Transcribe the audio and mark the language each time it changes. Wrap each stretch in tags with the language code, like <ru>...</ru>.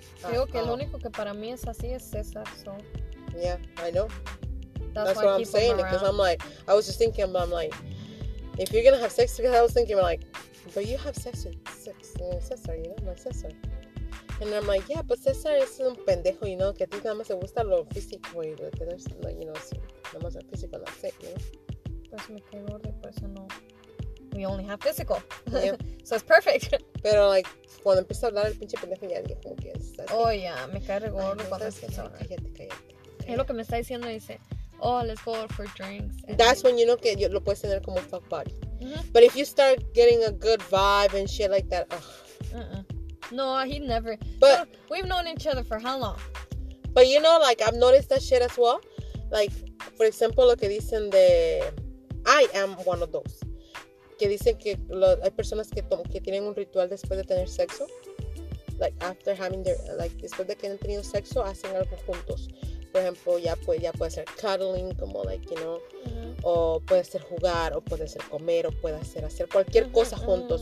<es>Creo que lo único que para mí es así es César, so.</es> <en>Yeah, I know. That's what I'm saying, because I'm like, I was just thinking, but I'm like, if you're gonna have sex, because I was thinking, like, but you have sex with César, you know, my César. And I'm like, yeah, but</en> <es>César es un pendejo, you know, que a ti nada más te gusta lo físico, y lo tienes, like, you know, nada más el físico, no sé, you know. Pues me quedo de por eso no.</es> <en>We only have physical. Yeah. So it's perfect.</en> <es>Pero, like, cuando empecé a hablar, el pinche pendejo ya dijo que es así. Oh, yeah. Me cae regalo cuando estás pensando. Cállate. Es lo que me está diciendo. Dice,</es> <en>oh, let's go out for drinks. And that's when you know</en> <es>que lo puedes tener como</es> <en>fuck buddy. Mm-hmm. But if you start getting a good vibe and shit like that, ugh. No, he never. But no, we've known each other for how long? But, you know, like, I've noticed that shit as well. Like, for example,</en> <es>lo que dicen de,</es> <en>I am one of those.</en> <es>Que dicen que lo, hay personas que, que tienen un ritual después de tener sexo.</es> <en>Like, after having their...</en> <es>Like, después de que han tenido sexo, hacen algo juntos. Por ejemplo, ya puede ser cuddling, como, like, you know. Uh-huh. O puede ser jugar, o puede ser comer, o puede ser hacer cualquier uh-huh. cosa juntos.</es>